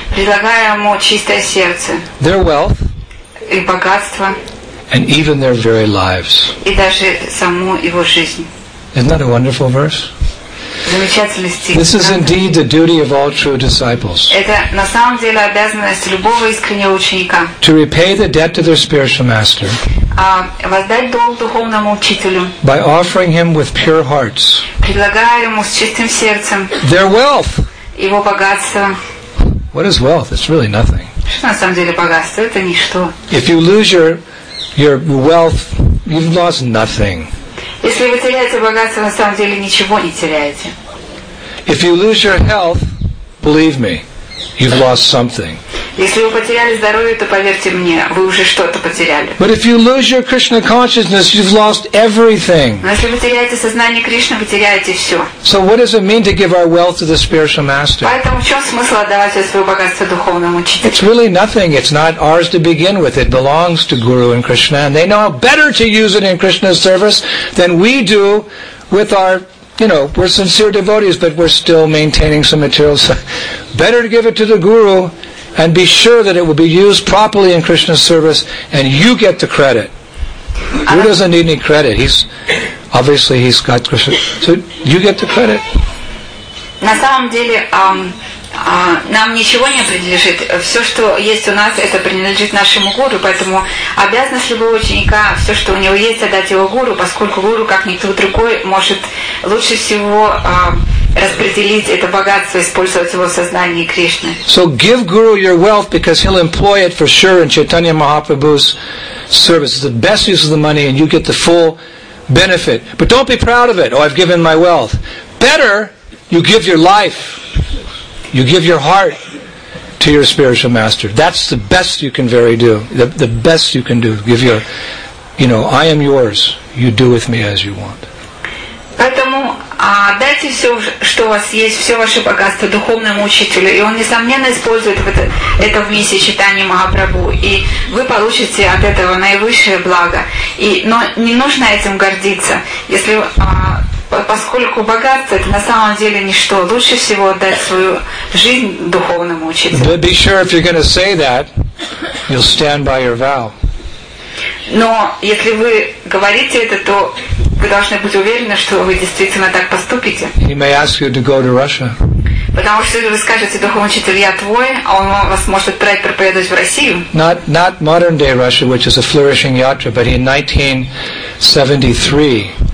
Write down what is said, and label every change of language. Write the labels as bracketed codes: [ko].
[ru] Предлагая ему чистое сердце. [en] Their wealth. [ru] И богатство. [en] And even their very lives. [ru] И даже саму его жизнь. [en] Isn't that a wonderful verse? This is indeed the duty of all true disciples. [ru] Это на самом деле обязанность любого искреннего ученика. [en] To repay the debt to their spiritual master. [ru] Воздать долг духовному учителю. [en] By offering him with pure hearts. [ru] Предлагая ему с чистым сердцем. [en] Their wealth. [ru] Его богатство. [en] What is wealth? It's really nothing. [ru] Что на самом деле богатство? Это ничто. [en] If you lose your your wealth, you've lost nothing. [ru] Если вы теряете богатство, на самом деле ничего не теряете. [en] If you lose your health, believe me, you've lost something. [ru] Если вы потеряли здоровье, то поверьте мне, вы уже что-то потеряли. [en] But if you lose your Krishna consciousness, you've lost everything. [ru] Но если вы теряете сознание Кришны, вы теряете все. [en] So what does it mean to give our wealth to the spiritual master? [ru] Поэтому в чем смысл отдавать все свое богатство духовному учителю? [en] It's really nothing. It's not ours to begin with. It belongs to Guru and Krishna, and they know better to use it in Krishna's service than we do with our. You know, we're sincere devotees, but we're still maintaining some materials. Better to give it to the Guru and be sure that it will be used properly in Krishna's service, and you get the credit. Guru doesn't need any credit. He's obviously he's got Krishna, so you get the credit. [ru] На самом деле, нам ничего не принадлежит. Все, что есть у нас, это принадлежит нашему Гуру. Поэтому обязанность любого ученика, все, что у него есть, отдать его Гуру, поскольку Гуру, как никто другой, может лучше всего распределить это богатство, использовать его в сознании Кришны. [en] So give Guru your wealth, because he'll employ it for sure in Chaitanya Mahaprabhu's service. It's the best use of the money, and you get the full benefit. But don't be proud of it. Oh, I've given my wealth. Better, you give your life. You give your heart to your spiritual master. That's the best you can very do. The best you can do. Give your, you know, I am yours. You do with me as you want. [ru] Поэтому дайте все, что у вас есть, все ваше богатство духовному учителю, и он несомненно использует это в миссии читания Махапрабху, и вы получите от этого наивысшее благо. Но не нужно этим гордиться, если. Поскольку богатство это на самом деле ничто, лучше всего отдать свою жизнь духовному учителю. [en] But be sure if you're going to say that, you'll stand by your vow. [ru] Но если вы говорите это, то вы должны быть уверены, что вы действительно так поступите. [en] He may ask you to go to Russia. [ru] Потому что если вы скажете духовному учителю, я твой, а он вас может отправить проповедовать в Россию. [en] Not modern day Russia, which is a flourishing yatra, but in 1973.